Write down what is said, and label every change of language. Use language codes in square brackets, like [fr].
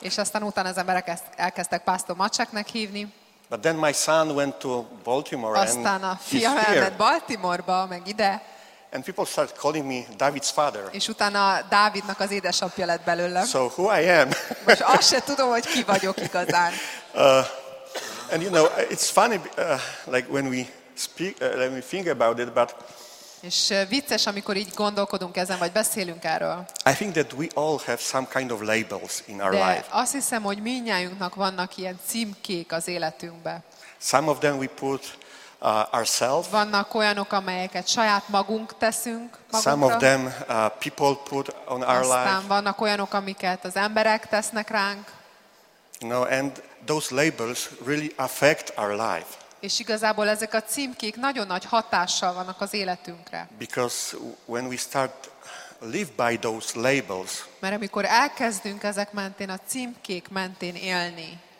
[hu] És aztán utána az emberek elkezdtek Pastor Maceknek hívni. [en] But then my son went to Baltimore. [hu] Aztán a fiam elment Baltimore-ba, meg ide. [en] And people started calling me David's father. [hu] És utána Dávidnak az édesapja lett belőlem. [en] So who I am? [hu] Most azt se tudom, hogy ki vagyok igazán. [en] And you know, it's funny like when we speak let me think about it, but [hu] és vicces, amikor így gondolkodunk ezen, vagy beszélünk erről. [en] I think that we all have some kind of labels in our [hu] de [en] life. [hu] Azt hiszem, hogy mindnyájunknak vannak ilyen címkék az életünkbe. [en] Some of them we put ourselves. [hu] Vannak olyanok, amelyeket saját magunk teszünk magunkra. [en] Some of them people put on our life. [hu] Aztán vannak olyanok, amiket az emberek tesznek ránk. [en] No, and those labels really affect our life. [hu] És igazából ezek a címkék nagyon nagy hatással vannak az életünkre. [en] Because when we start live by those labels. [hu] Mert amikor elkezdünk ezek mentén, a címkék mentén élni.